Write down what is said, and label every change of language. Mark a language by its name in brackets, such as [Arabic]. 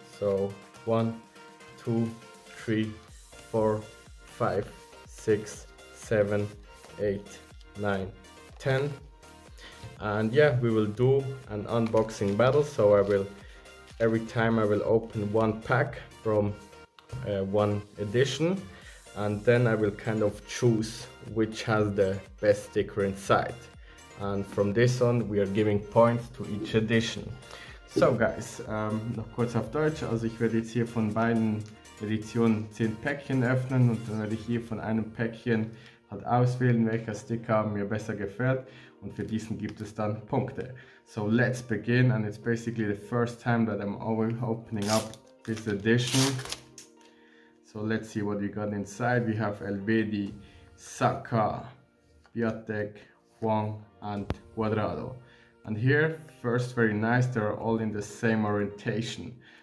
[English] So 1, 2, 3, 4, 5, 6, 7, 8, 9, 10, and yeah, we will do an unboxing battle. So I will, every time I will open one pack from one edition, and then I will kind of choose which has the best sticker inside, and from this on we are giving points to each edition. [German] So guys, noch kurz auf Deutsch, also ich werde jetzt hier von beiden Editionen 10 Päckchen öffnen und dann werde ich hier von einem Päckchen halt auswählen, welcher Sticker mir besser gefällt, und für diesen gibt es dann Punkte. [English] So let's begin, and it's basically the first time that I'm opening up this edition. So let's see what we got inside. We have Elvedi, Saka, Piatek, Huang and Cuadrado. And here, first, very nice, they're all in the same orientation.